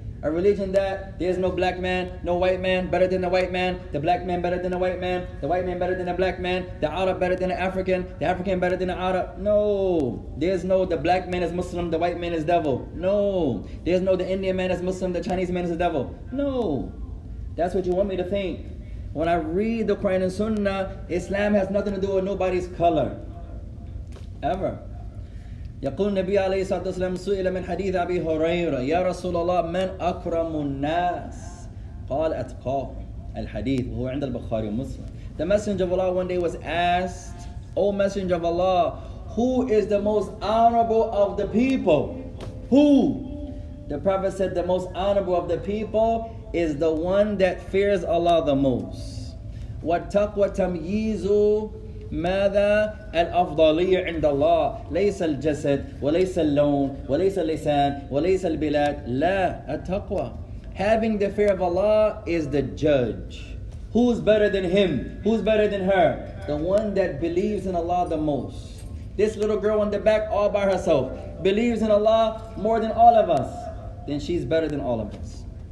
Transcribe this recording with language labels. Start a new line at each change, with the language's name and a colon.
English: A religion that there's no black man, no white man better than the white man, the black man better than the white man better than the black man, the Arab better than the African better than the Arab. No. There's no the black man is Muslim, the white man is devil. No. There's no the Indian man is Muslim, the Chinese man is the devil. No. That's what you want me to think. When I read the Quran and Sunnah, Islam has nothing to do with nobody's color. Ever.
Arabic: يقول النبي عليه الصلاة والسلام سئل من حديث أبي هريرة يا رسول الله من أكرم الناس قال أتقاه الحديث وهو عند البخاري ومسلم.
English: The messenger of Allah one day was asked, O messenger of Allah, who is the most honorable of the people? Who? The Prophet said the most honorable of the people is the one that fears Allah the most.
Arabic: وَتَقْوَى تَمْيِيزُ ماذا الأفضلية عند الله ليس الجسد وليس اللون وليس اللسان وليس البلاد لا التقوى.
English: Having the fear of Allah is the judge. Who's better than him? Who's better than her? The one that believes in Allah the most. This little girl in the back all by herself believes in Allah more than all of us, then she's better than all of us.